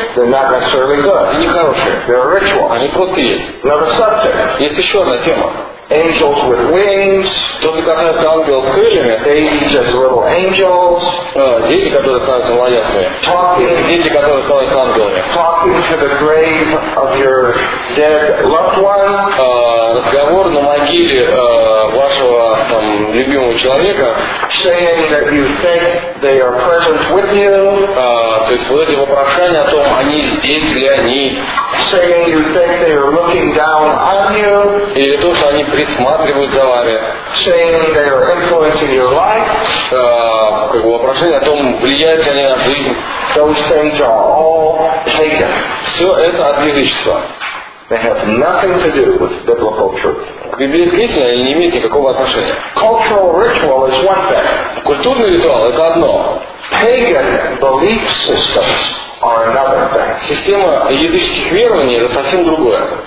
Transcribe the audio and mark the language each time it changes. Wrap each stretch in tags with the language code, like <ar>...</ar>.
<en>They're not necessarily good.</en> <ru>Они не хорошие.</ru> <en>They're rituals.</en> <ru>Они просто есть.</ru> <en>Another subject.</en> <ru>Есть еще одна тема.</ru> <en>Angels with wings.</en> <ru>То, что касается ангелов с крыльями.</ru> <en>Babies as little angels.</en> <ru>Дети, которые становятся младенцами.</ru> <en>Talking.</en> <ru>Дети, которые становятся ангелами.</ru> <en>Talking to the grave of your dead loved one.</en> <ru>Разговор на могиле вашего там любимого человека.</ru> <en>Saying that you think they are present with you.</en> <ru>То есть вот эти вопрошения о том, они здесь ли они.</ru> <en>Saying you think they are looking down on you.</en> <ru>Или то, что они присматривают за вами.</ru> <en>Saying they are influencing your life.</en> <ru>Как бы вопрошение о том, влияют ли они на жизнь.</ru> <en>Those things are all taken.</en> <ru>Все это от язычества.</ru> <en>They have nothing to do with biblical truth.</en> <ru>К библейской истине они не имеют никакого отношения.</ru> <en>Cultural ritual is one thing.</en> <ru>Культурный ритуал — это одно.</ru> <en>Pagan belief systems are another thing.</en> <ru>Система языческих верований — это совсем другое.</ru>